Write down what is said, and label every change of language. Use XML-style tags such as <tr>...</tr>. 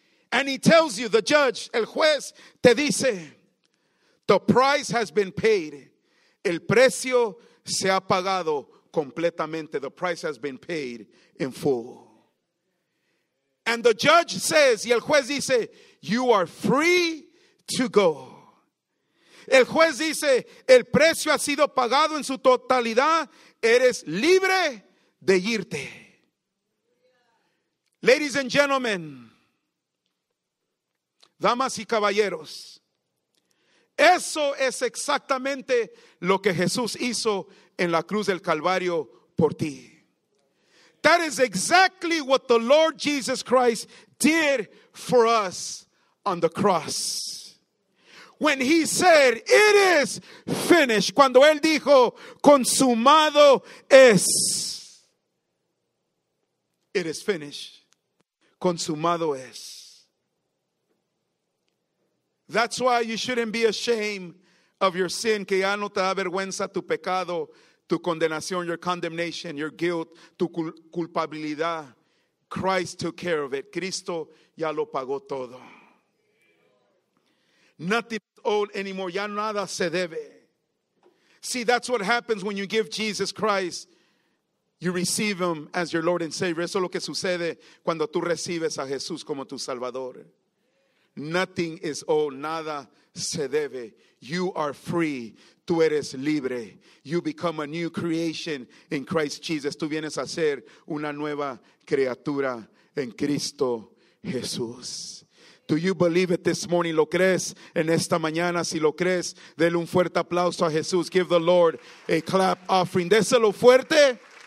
<en>And he tells you, the judge,</en> <es>el juez, te dice,</es> <en>the price has been paid.</en> <es>El precio se ha pagado completamente.</es> <en>The price has been paid in full. And the judge says,</en> <es>y el juez dice,</es> <en>you are free to go.</en> <es>El juez dice, el precio ha sido pagado en su totalidad. Eres libre de irte.</es> <en>Ladies and gentlemen.</en> <es>Damas y caballeros, eso es exactamente lo que Jesús hizo en la cruz del Calvario por ti.</es> <en>That is exactly what the Lord Jesus Christ did for us on the cross. When he said, it is finished.</en> <es>Cuando él dijo, consumado es.</es> <en>It is finished.</en> <es>Consumado es.</es> <en>That's why you shouldn't be ashamed of your sin.</en> <es>Que ya no te da vergüenza tu pecado, tu condenación,</es> <en>your condemnation, your guilt,</en> <es>tu culpabilidad.</es> <en>Christ took care of it.</en> <es>Cristo ya lo pagó todo.</es> <en>Nothing is owed anymore.</en> <es>Ya nada se debe.</es> <en>See, that's what happens when you give Jesus Christ. You receive him as your Lord and Savior.</en> <es>Eso es lo que sucede cuando tú recibes a Jesús como tu Salvador.</es> <en>Nothing is owed.</en> <es>Nada se debe.</es> <en>You are free.</en> <es>Tú eres libre.</es> <en>You become a new creation in Christ Jesus.</en> <es>Tú vienes a ser una nueva criatura en Cristo Jesús.</es> <en>Do you believe it this morning?</en> <es>¿Lo crees en esta mañana? Si lo crees, dele un fuerte aplauso a Jesús.</es> <en>Give the Lord a clap offering.</en> <es>Déselo fuerte.</es>